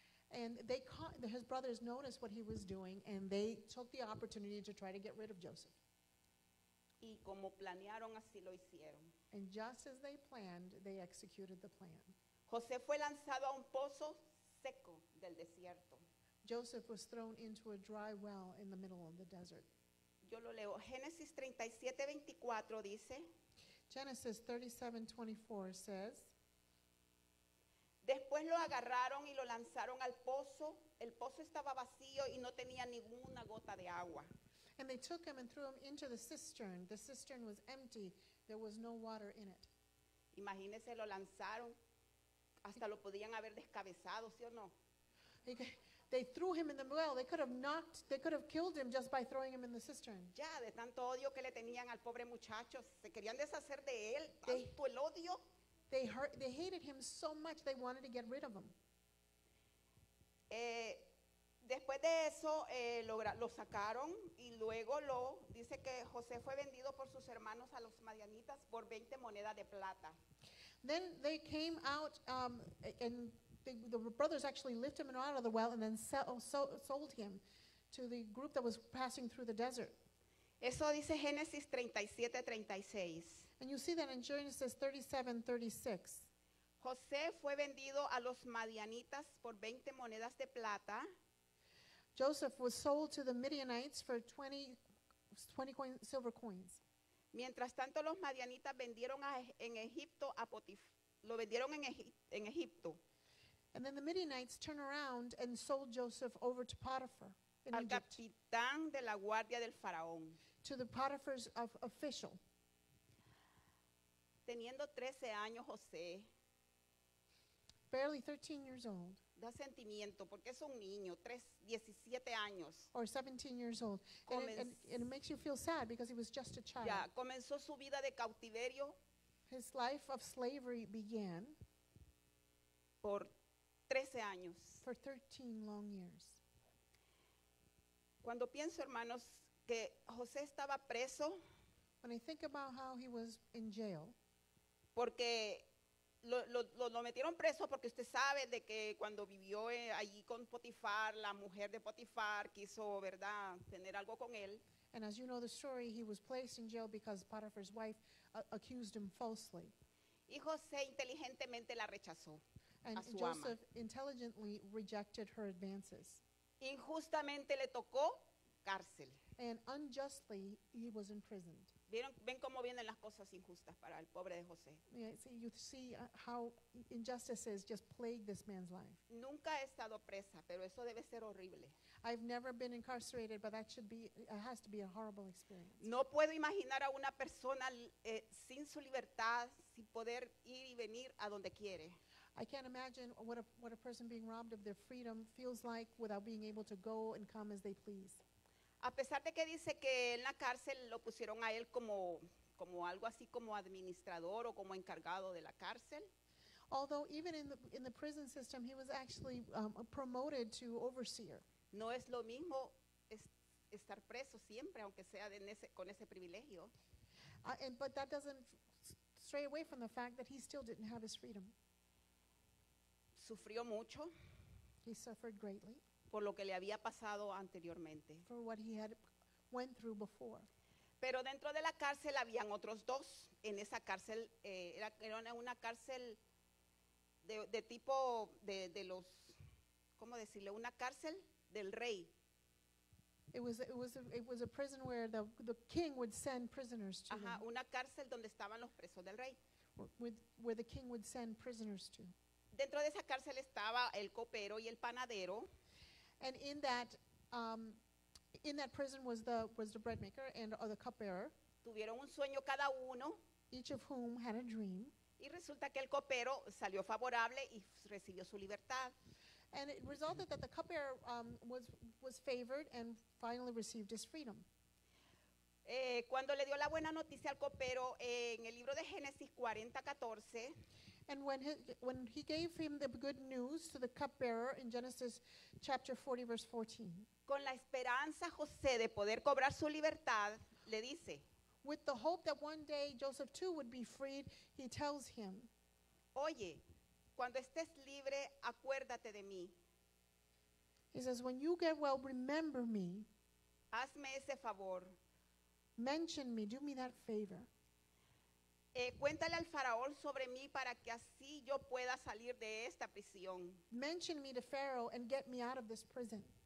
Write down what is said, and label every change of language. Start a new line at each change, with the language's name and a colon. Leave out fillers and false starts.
English: And they caught, his brothers noticed what he was doing, and they took the opportunity to try to get rid of Joseph.
Spanish: Y como planearon, así lo hicieron.
English: And just as they planned, they executed the plan.
Spanish: José fue lanzado a un pozo seco del desierto.
English: Joseph was thrown into a dry well in the middle of the desert.
Spanish: Yo lo leo. Génesis 37:24 dice.
English: Genesis 37:24 says.
Spanish: Después lo agarraron y lo lanzaron al pozo. El pozo estaba vacío y no tenía ninguna gota de agua.
English: And they took him and threw him into the cistern. The cistern was empty. There was no water in it.
Spanish: Imagínese, lo lanzaron Hasta lo podían haber descabezado, ¿sí o no?
English: They threw him in the well. They could have killed him just by throwing him in the cistern.
Spanish: Ya, de tanto odio que le tenían al pobre muchacho, se querían deshacer de él. Tanto el odio.
English: They hated him so much they wanted to get rid of him.
Spanish: Después de eso, lo sacaron y luego lo dice que José fue vendido por sus hermanos a los madianitas por 20 monedas de plata.
English: Then they came out and the brothers actually lifted him out of the well and then sold him to the group that was passing through the desert.
Spanish: Eso dice Génesis 37:36.
English: And you see that in Genesis 37:36.
Spanish: José fue vendido a los madianitas por 20 monedas de plata.
English: Joseph was sold to the Midianites for 20 silver coins.
Spanish: Mientras tanto, los madianitas vendieron en Egipto a Potifar. Lo vendieron en Egipto.
English: And then the Midianites turned around and sold Joseph over to Potiphar in Egypt.
Spanish: Al capitán de la guardia del faraón.
English: To the Potiphar's official.
Spanish: Teniendo 13 años, José.
English: Barely 13 years old.
Spanish: Da sentimiento porque es un niño, 17 años.
English: Or 17 years old. And it makes you feel sad because he was just a child.
Spanish: Ya, comenzó su vida de cautiverio.
English: His life of slavery began.
Spanish: Por 13 años.
English: For 13 long years.
Spanish: Cuando pienso, hermanos, que José estaba preso.
English: When I think about how he was in jail.
Spanish: Porque lo metieron preso porque usted sabe de que cuando vivió allí con Potifar, la mujer de Potifar quiso, ¿verdad?, tener algo con él.
English: And as you know the story, he was placed in jail because Potiphar's wife accused him falsely.
Spanish: Y José inteligentemente la rechazó.
English: And Joseph intelligently rejected her advances.
Spanish: Injustamente le tocó cárcel.
English: And unjustly he was imprisoned.
Spanish: Ven cómo vienen las cosas injustas para el pobre de José.
English: Yeah, see, you see how injustices just plague this man's life.
Spanish: Nunca he estado presa, pero eso debe ser horrible.
English: I've never been incarcerated, but that should be, it has to be a horrible experience.
Spanish: No puedo imaginar a una persona sin su libertad, sin poder ir y venir a donde quiere.
English: I can't imagine what a person being robbed of their freedom feels like without being able to go and come as they please.
Spanish: A pesar de que dice que en la cárcel lo pusieron a él como algo así como administrador o como encargado de la cárcel.
English: Although even in the prison system he was actually promoted to overseer.
Spanish: No es lo mismo estar preso siempre aunque sea con ese privilegio.
English: But that doesn't stray away from the fact that he still didn't have his freedom.
Spanish: Sufrió mucho.
English: He suffered greatly.
Spanish: Por lo que le había pasado anteriormente.
English: For what he had went through before.
Spanish: Pero dentro de la cárcel habían otros dos. En esa cárcel, era una cárcel de tipo de los, ¿cómo decirle? Una cárcel del rey.
English: It was a prison where the king would send prisoners to.
Spanish: Ajá, una cárcel donde estaban los presos del rey.
English: Where the king would send prisoners to.
Spanish: Dentro de esa cárcel estaba el copero y el panadero.
English: And in that prison was the bread maker and the cupbearer.
Spanish: Tuvieron un sueño cada uno.
English: Each of whom had a dream.
Spanish: Y resulta que el copero salió favorable y recibió su libertad.
English: And it resulted that the cupbearer was favored and finally received his freedom.
Spanish: Cuando le dio la buena noticia al copero en el libro de Génesis 40:14.
English: And when he gave him the good news to the cupbearer in Genesis chapter 40 verse 14.
Spanish: Con la esperanza José de poder cobrar su libertad, le dice.
English: With the hope that one day Joseph too would be freed, he tells him.
Spanish: Oye, cuando estés libre, acuérdate de mí.
English: He says, when you get well, remember me.
Spanish: Hazme ese favor.
English: Mention me, do me that favor.
Spanish: Cuéntale al faraón sobre mí para que así yo pueda salir de esta prisión.
English: Mention me to Pharaoh and get me out of this prison.